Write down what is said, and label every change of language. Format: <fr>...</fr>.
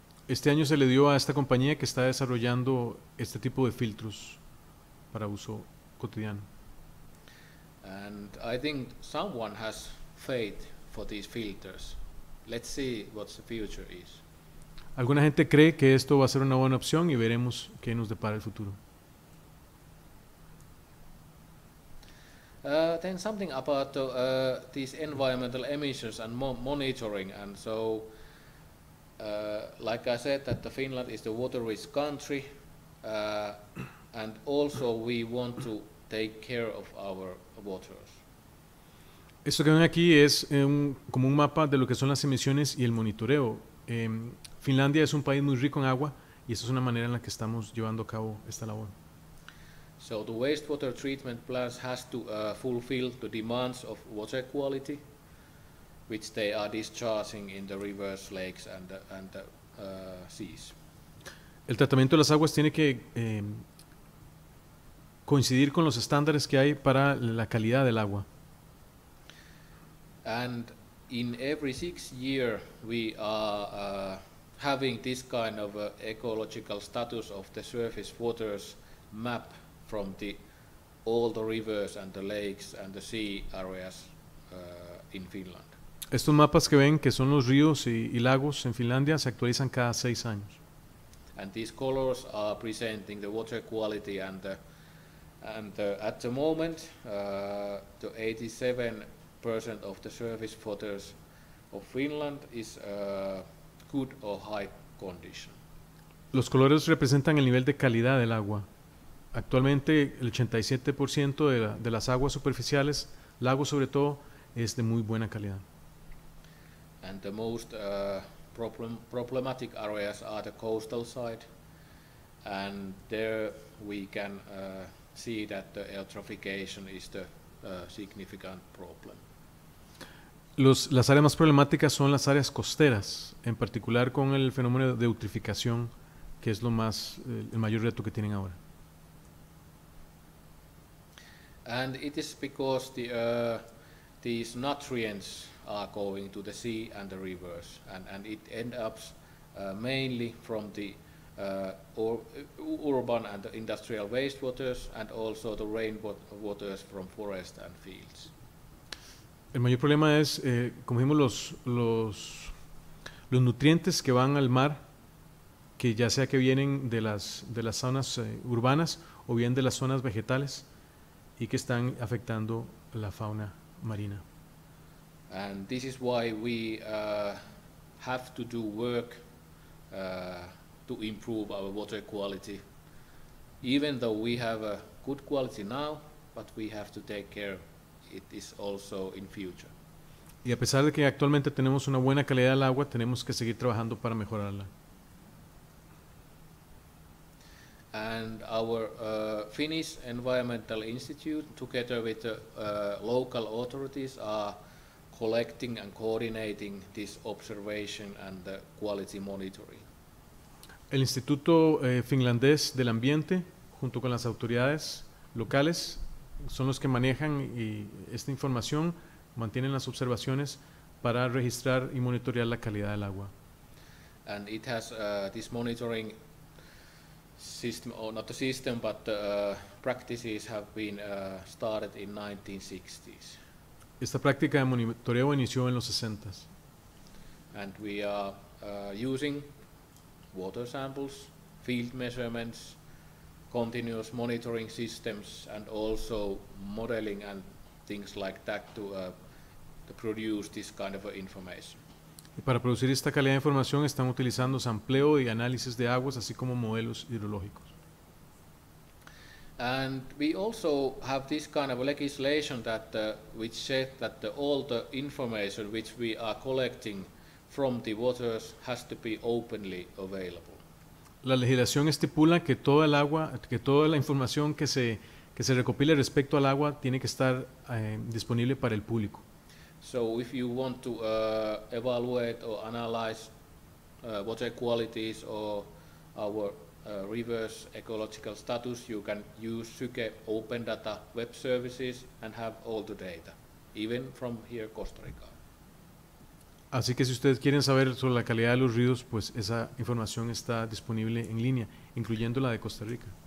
<es>Este año se le dio a esta compañía que está desarrollando este tipo de filtros para uso cotidiano.</es> <en>And I think someone has faith for these filters. Let's see what the future is.</en> <es>Alguna gente cree que esto va a ser una buena opción y veremos qué nos depara el futuro.</es> <en>Then something about these environmental emissions and monitoring. And so, like I said, that Finland is the water rich country, and also we want to take care of our waters.</en> <es>Esto que ven aquí es como un mapa de lo que son las emisiones y el monitoreo. Finlandia es un país muy rico en agua y esa es una manera en la que estamos llevando a cabo esta labor.</es> <en>So the wastewater treatment plants has to fulfill the demands of water quality, which they are discharging in the rivers, lakes, and the seas.</en> <es>El tratamiento de las aguas tiene que coincidir con los estándares que hay para la calidad del agua.</es> <en>And in every 6 years, we are having this kind of ecological status of the surface waters map from the all the rivers and the lakes and the sea areas in Finland.</en> <es>Estos mapas que ven, que son los ríos y lagos en Finlandia, se actualizan cada 6 años.</es> <en>And these colors are presenting the water quality and at the moment the 87% of the surface waters of Finland is good or high condition.</en> <es>Los colores representan el nivel de calidad del agua. Actualmente el 87% de las aguas superficiales, lagos sobre todo, es de muy buena calidad.</es> <en>And the most problematic areas are the coastal side, and there we can see that the eutrophication is the significant problem.</en> <es>Las áreas más problemáticas son las áreas costeras, en particular con el fenómeno de eutrofización, que es lo más el mayor reto que tienen ahora.</es> <en>And it is because the these nutrients are going to the sea and the rivers, and it ends up mainly from the urban and the industrial wastewaters, and also the rain waters from forest and fields.</en> <es>El mayor problema es, como vimos, los nutrientes que van al mar, que ya sea que vienen de las zonas urbanas o bien de las zonas vegetales, y que están afectando la fauna marina.</es> <en>And this is why we have to do work to improve our water quality. Even though we have a good quality now, but we have to take care it is also in future.</en> <es>Y a pesar de que actualmente tenemos una buena calidad del agua, tenemos que seguir trabajando para mejorarla.</es> <en>And our Finnish Environmental Institute, together with the local authorities, are collecting and coordinating this observation and the quality monitoring.</en> <es>El Instituto Finlandés del Ambiente, junto con las autoridades locales, son los que manejan y esta información, mantienen las observaciones para registrar y monitorear la calidad del agua.</es> <en>And it has this monitoring system, or not the system, but the practices have been started in 1960s.</en> <es>Esta práctica de monitoreo inició en los 60s.</es> <en>And we are using water samples, field measurements, continuous monitoring systems, and also modeling and things like that to produce this kind of information.</en> <es>Y para producir esta calidad de información están utilizando sampleo y análisis de aguas, así como modelos hidrológicos.</es> <en>And we also have this kind of legislation that which says that all the information which we are collecting from the waters has to be openly available.</en> <es>La legislación estipula que toda el agua, que toda la información que se recopile respecto al agua tiene que estar disponible para el público.</es> <en>So if you want to evaluate or analyze water qualities or our rivers ecological status, you can use Syke Open Data web services and have all the data, even from here Costa Rica.</en> <es>Así que si ustedes quieren saber sobre la calidad de los ríos, pues esa información está disponible en línea, incluyendo la de Costa Rica.</es>